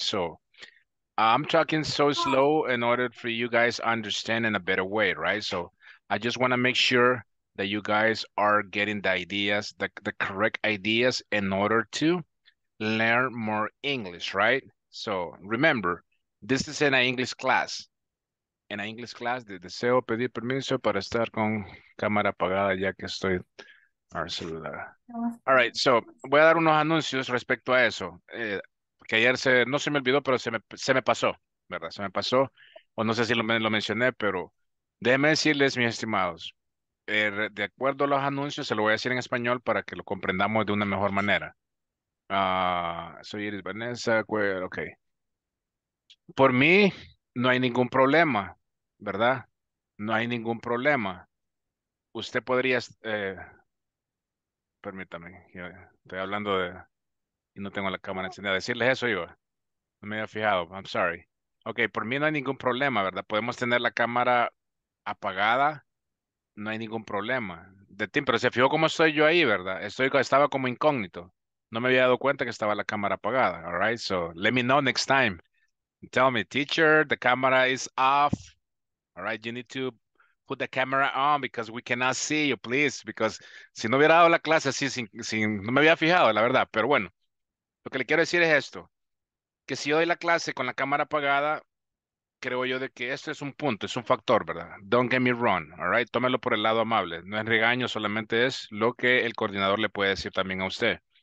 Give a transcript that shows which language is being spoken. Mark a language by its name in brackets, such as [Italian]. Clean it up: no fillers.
[English] So I'm talking so slow in order for you guys to understand in a better way, right? So I just want to make sure that you guys are getting the ideas, the correct ideas in order to learn more English, right? So remember, this is in an English class. In an English class, [Spanish] deseo pedir permiso para estar con cámara apagada ya que estoy en el celular. [English] All right, so [Spanish] voy a dar unos anuncios respecto a eso. Que ayer no se me olvidó, pero se me pasó, ¿verdad? Se me pasó, o no sé si lo mencioné, pero déjenme decirles, mis estimados, de acuerdo a los anuncios, se lo voy a decir en español para que lo comprendamos de una mejor manera. Soy Iris Vanessa, ok. Por mí, no hay ningún problema, ¿verdad? No hay ningún problema. Usted podría, permítame, estoy hablando de, y no tengo la cámara encendida, decirles eso yo. No me había fijado, [English] I'm sorry. [Spanish] Ok, por mí no hay ningún problema, ¿verdad? Podemos tener la cámara apagada. No hay ningún problema. De ti, pero se fijó cómo estoy yo ahí, ¿verdad? Estaba como incógnito. No me había dado cuenta que estaba la cámara apagada. [English] All right, so let me know next time. Tell me, teacher, the camera is off. All right, you need to put the camera on because we cannot see you, please. [Spanish] Because si no hubiera dado la clase así, no me había fijado, la verdad. Pero bueno, lo que le quiero decir es esto. Que si yo doy la clase con la cámara apagada, creo yo de que esto es un punto, es un factor, ¿verdad? [English] Don't get me wrong, all right? [Spanish] Tómelo por el lado amable. No es regaño, solamente es lo que el coordinador le puede decir también a usted.